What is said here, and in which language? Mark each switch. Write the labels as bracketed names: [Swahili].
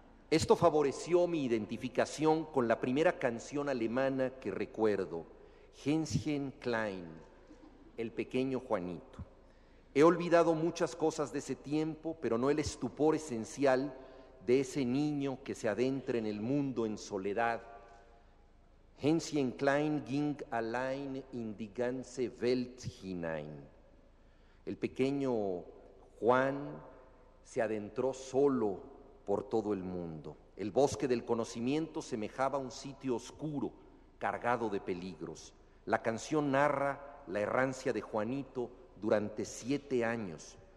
[Spanish] Esto favoreció mi identificación con la primera canción alemana que recuerdo, Hänschen Klein, El pequeño Juanito. He olvidado muchas cosas de ese tiempo, pero no el estupor esencial de ese niño que se adentra en el mundo en soledad. [German] Hänschen Klein ging allein in die ganze Welt hinein. [Spanish] El pequeño Juan se adentró solo por todo el mundo. El bosque del conocimiento semejaba un sitio oscuro, cargado de peligros. La canción narra la errancia de Juanito durante 7 años.